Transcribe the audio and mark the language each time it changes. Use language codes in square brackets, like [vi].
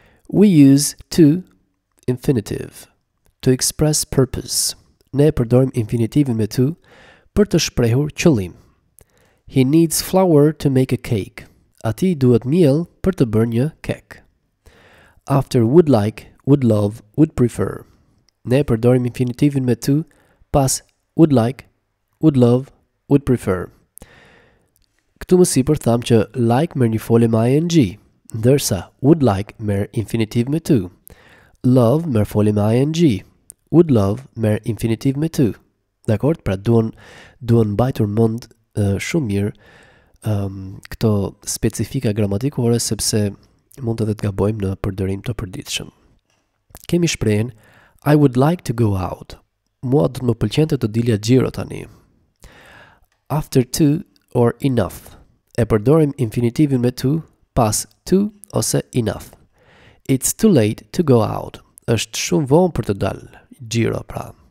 [en] We use to infinitive to express purpose. [sq] Ne përdorim infinitivin me to për të shprehur qëllim. [en] He needs flour to make a cake. [sq] Ati duhet miell për të bërë një kek. [en] After would like, would love, would prefer. [sq] Ne përdorim infinitivin me to pas would like, would love, would prefer. Këtu më sipër thamë që like merr një folje me ing, ndërsa would like merr infinitiv me to. Love merr folje me ing. Would love merr infinitiv me to. Dakord, pra duan mbajtur mend shumë mirë këto specifika gramatikore sepse mund edhe të gabojmë në përdorim të përditshëm. Kemi shprehen [en] I would like to go out. [sq] Mua do të më pëlqente të dilja xhiro tani. [en] After to or enough. [sq] E përdorim infinitivin me to pas to ose enough. [en] It's too late to go out. [sq] Është shumë vonë për të dalë xhiro pra.